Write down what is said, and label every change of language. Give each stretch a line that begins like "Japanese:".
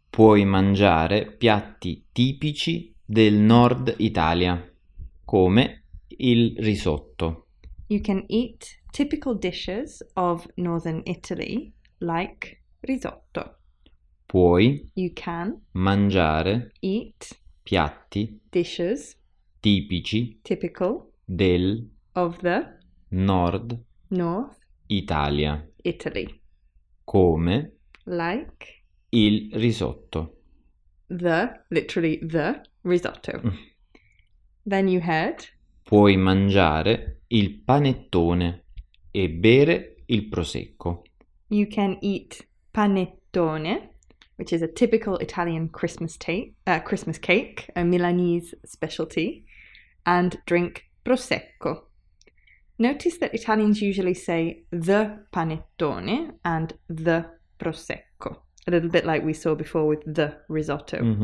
Italian: Puoi mangiare piatti tipici del nord Italia, come il risotto.
English: You can eat typical dishes of northern Italy, like risotto.
Italian: Puoi
English: you can
Italian: mangiare
English: eat
Italian: piatti
English: dishes
Italian: tipici
English: typical
Italian: del
English: of the
Italian: nord
English: north
Italian: Italia
English: Italy
Italian: come
English: like
Italian: il risotto
English: the literally the risotto. Then you had
Italian: puoi mangiare il panettone e bere il prosecco.
English: You can eat panettone, which is a typical Italian Christmas cake, a Milanese specialty, and drink prosecco. Notice that Italians usually say the panettone and the prosecco, a little bit like we saw before with the risotto, mm-hmm.